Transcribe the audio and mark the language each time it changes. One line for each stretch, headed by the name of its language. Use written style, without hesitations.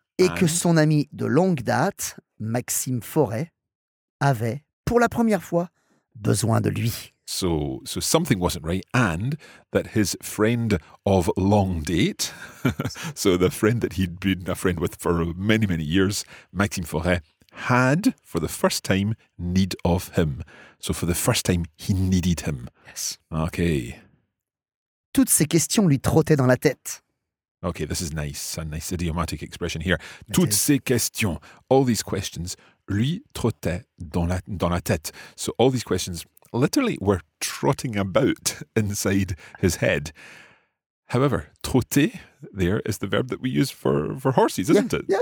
French: Et que son ami de longue date, Maxime Forêt, avait, pour la première fois, besoin de lui.
English: So something wasn't right, and that his friend of long date, so the friend that he'd been a friend with for many, many years, Maxime Forêt, had, for the first time, need of him. So for the first time, he needed him. Yes. Okay.
French: Toutes ces questions lui trottaient dans la tête.
English: Okay, this is nice. A nice idiomatic expression here.
French: Toutes ces questions,
English: all these questions,
French: lui trottaient dans la tête.
English: So all these questions literally were trotting about inside his head. However, trotter there is the verb that we use for horses, isn't it?